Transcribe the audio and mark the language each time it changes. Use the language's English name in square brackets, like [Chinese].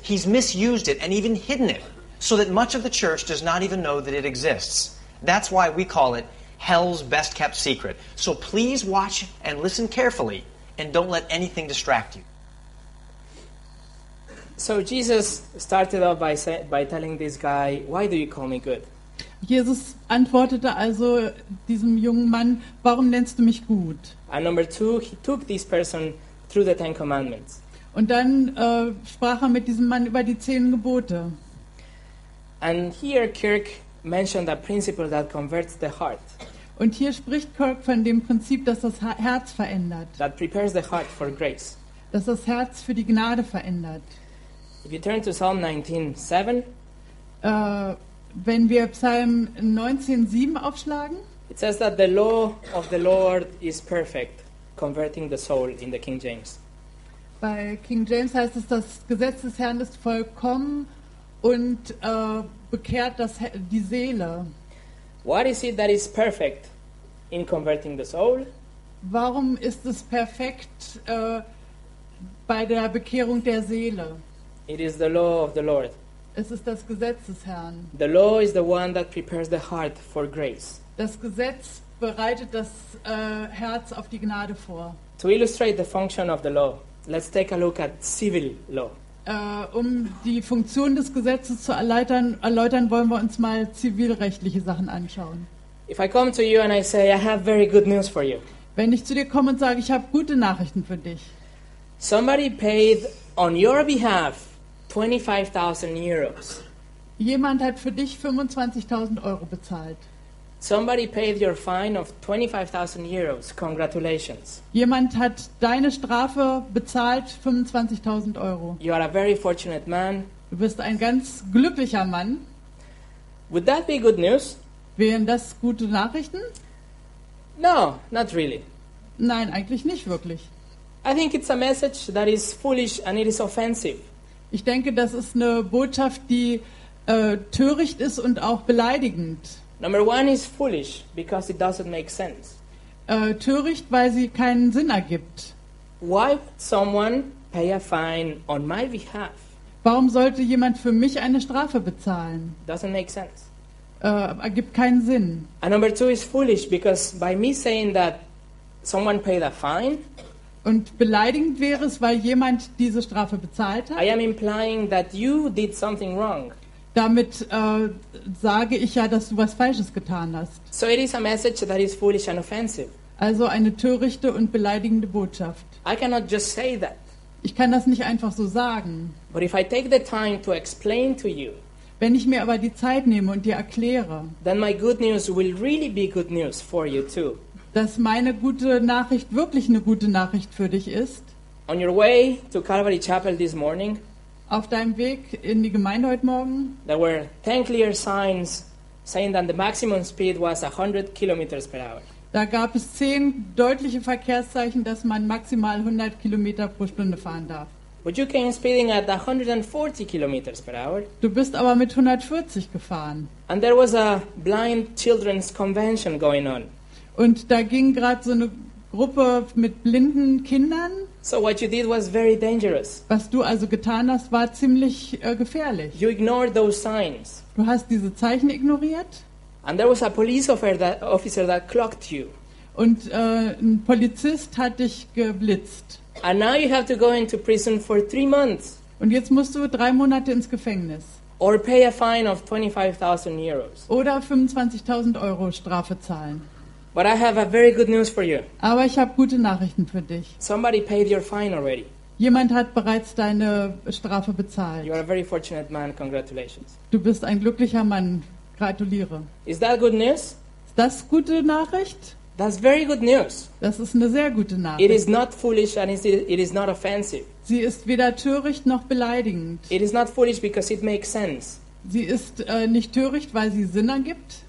[English] He's misused it and even hidden it so that much of the church does not even know that it exists. That's why we call it hell's best kept secret. So please watch and listen carefully and don't let anything distract you. So Jesus started off by telling this guy, "Why do you call me good?" [German] Jesus antwortete also diesem jungen Mann, "Warum nennst du mich gut?" [English] And number two, he took this person through the Ten Commandments. [German] Und dann sprach mit diesem Mann über die Zehn Gebote. [English] And here Kirk mentioned a principle that converts the heart. [German] Und hier spricht Kirk von dem Prinzip, dass das Herz verändert. [English] That prepares the heart for grace. [German] Dass das Herz für die Gnade verändert. [English] If you turn to Psalm 19:7, [German] wenn wir Psalm 19:7 aufschlagen, [English] it says that the law of the Lord is perfect, converting the soul in the King James. [German] Bei King James heißt es, das Gesetz des Herrn ist vollkommen und bekehrt das die Seele. [English] What is it that is perfect in converting the soul? [German] Warum ist es perfekt bei der Bekehrung der Seele? [English] It is the law of the Lord. [German] Es ist das Gesetz des Herrn. [English] The law is the one that prepares the heart for grace. [German] Das Gesetz bereitet das Herz auf die Gnade vor. [English] To illustrate the function of the law, let's take a look at civil law. [German] Um die Funktion des Gesetzes zu erläutern, wollen wir uns mal zivilrechtliche Sachen anschauen. [English] If I come to you and I say I have very good news for you. [German] Wenn ich zu dir komme und sage, ich habe gute Nachrichten für dich. [English] Somebody paid on your behalf 25,000 euros. [German] Jemand hat für dich 25.000 Euro bezahlt. [English] Somebody paid your fine of 25,000 euros. Congratulations. [German] Jemand hat deine Strafe bezahlt, 25.000 Euro. [English] You are a very fortunate man. [German] Du bist ein ganz glücklicher Mann. [English] Would that be good news? [German] Wären das gute Nachrichten? [English] No, not really. [German] Nein, eigentlich nicht wirklich. [English] I think it's a message that is foolish and it is offensive. [German] Ich denke, das ist eine Botschaft, die töricht ist und auch beleidigend. [English] Number one is foolish because it doesn't make sense. [German] Töricht, weil sie keinen Sinn ergibt. [English] Why would someone pay a fine on my behalf? [German] Warum sollte jemand für mich eine Strafe bezahlen? [English] Doesn't make sense. [German] Ergibt keinen Sinn. [English] And number two is foolish because by me saying that someone paid a fine. [German] Und beleidigend wäre es, weil jemand diese Strafe bezahlt hat. [English] I am implying that you did something wrong. [German] Damit sage ich ja, dass du was Falsches getan hast. [English] So it is a message that is foolish and offensive. [German] Also eine törichte und beleidigende Botschaft. [English] I cannot just say that. [German] Ich kann das nicht einfach so sagen. [English] But if I take the time to explain to you, [German] Wenn ich mir aber die Zeit nehme und dir erkläre, [English] then my good news will really be good news for you too. [German] Dass meine gute Nachricht wirklich eine gute Nachricht für dich ist. [English] On your way to Calvary Chapel this morning, [German] auf deinem Weg in die Gemeinde heute Morgen, [English] there were 10 clear signs saying that the maximum speed was 100 kilometers per hour. [German] Da gab es 10 deutliche Verkehrszeichen, dass man maximal 100 Kilometer pro Stunde fahren darf. [English] But you came speeding at 140 kilometers per hour. [German] Du bist aber mit 140 gefahren. [English] And there was a blind children's convention going on. [German] Und da ging gerade so eine Gruppe mit blinden Kindern. [English] So what you did was very dangerous. [German] Was du also getan hast, war ziemlich gefährlich. [English] You ignored those signs. [German] Du hast diese Zeichen ignoriert. [English] And there was a police officer that clocked you. [German] Und ein Polizist hat dich geblitzt. [English] And now you have to go into prison for 3 months. [German] Und jetzt musst du 3 Monate ins Gefängnis. [English] Or pay a fine of 25,000 euros. [German] Oder 25.000 Euro Strafe zahlen. [English] But I have a very good news for you. [German] Aber ich habe gute Nachrichten für dich. [English] Somebody paid your fine already. [German] Jemand hat bereits deine Strafe bezahlt. [English] You are a very fortunate man. Congratulations. [German] Du bist ein glücklicher Mann. Gratuliere. [English] Is that good news? [German] Ist das gute Nachricht? [English] That's very good news. [German] Das ist eine sehr gute Nachricht. [English] It is not foolish and it is not offensive. [German] Sie ist weder töricht noch beleidigend. [English] It is not foolish because it makes sense. [German] Sie ist nicht töricht, weil sie Sinn ergibt.